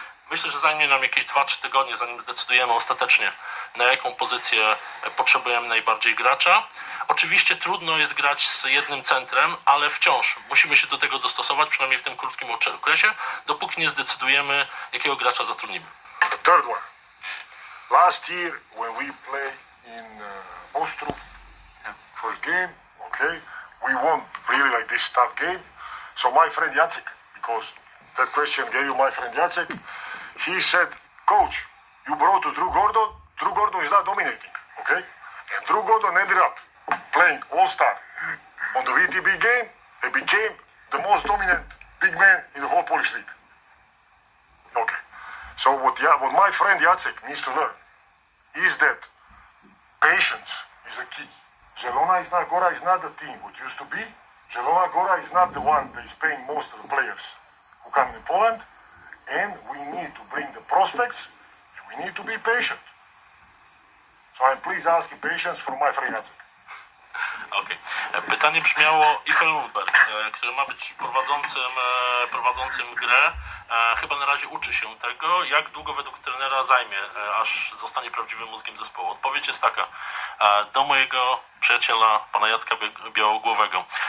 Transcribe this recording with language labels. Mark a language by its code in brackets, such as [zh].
[pl] Myślę, że zajmie nam jakieś 2-3 tygodnie, zanim zdecydujemy ostatecznie, na jaką pozycję potrzebujemy najbardziej gracza. Oczywiście trudno jest grać z jednym centrem, ale wciąż musimy się do tego dostosować, przynajmniej w tym krótkim okresie, dopóki nie zdecydujemy, jakiego gracza zatrudnimy. [en] The third one. Last year, when we played in Ostrów, first game, okay, we won really like this tough game. So my friend Jacek, because that question gave you my friend Jacek, he said, coach, you brought to Drew Gordon. Drew Gordon is not dominating, okay? And Drew Gordon ended up playing All-Star on the VTB game and became the most dominant big man in the whole Polish league. Okay. So what my friend Jacek needs to learn is that patience is a key. Zielona Góra is not the team what used to be. Zielona Góra is not the one that is paying most of the players who come in Poland. And we need to bring the prospects, and we need to be patient. So I'm please asking patience from my friend Jacek. Okay. Okej. Okay. [pl] Pytanie brzmiało, Ife Lundberg, który ma być prowadzącym grę, chyba na razie uczy się tego, jak długo według trenera zajmie, aż zostanie prawdziwym mózgiem zespołu. Odpowiedź jest taka, do mojego przyjaciela, pana Jacka Białogłowego.